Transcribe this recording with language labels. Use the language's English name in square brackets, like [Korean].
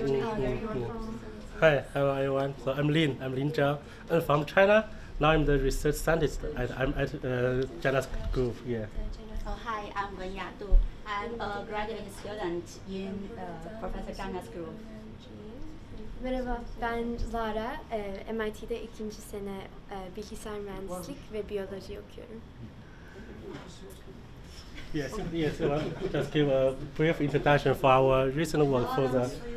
[English] your name, where you're from. Hi, how are you? I'm Lin. I'm Lin Zhao. I'm from China. Now I'm the research scientist. I'm at Jana's group. Yeah. Hi, I'm Wen Yadu. I'm a graduate student in Beijing Professor Jana group. [Turkish] Merhaba, ben Zara. MIT'de ikinci sene bilgisayar mühendislik ve biyoloji okuyorum. [English] Yes, well, just give a brief introduction for our recent work for the...